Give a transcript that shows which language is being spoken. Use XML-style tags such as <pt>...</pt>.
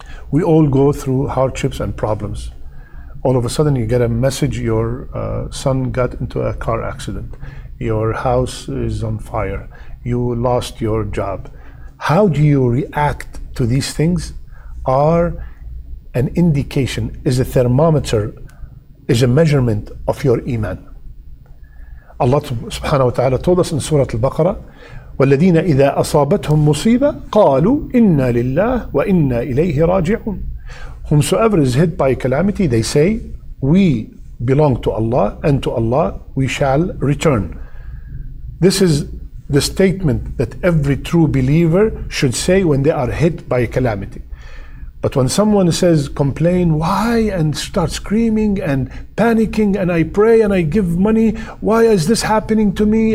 <en>We all go through hardships and problems. All of a sudden you get a message, your son got into a car accident. Your house is on fire. You lost your job. How do you react to these things? Are an indication, is a thermometer, is a measurement of your iman. Allah subhanahu wa ta'ala told us in Surah Al-Baqarah,</en> <ar>وَالَّذِينَ إِذَا أَصَابَتْهُمْ مُصِيبَةٌ قَالُوا إِنَّا لِلَّهِ وَإِنَّا إِلَيْهِ رَاجِعُونَ.</ar> <en>Whomsoever is hit by calamity, they say, we belong to Allah, and to Allah we shall return. This is the statement that every true believer should say when they are hit by a calamity. But when someone says, complain, why, and start screaming and panicking, and I pray and I give money, why is this happening to me?</en>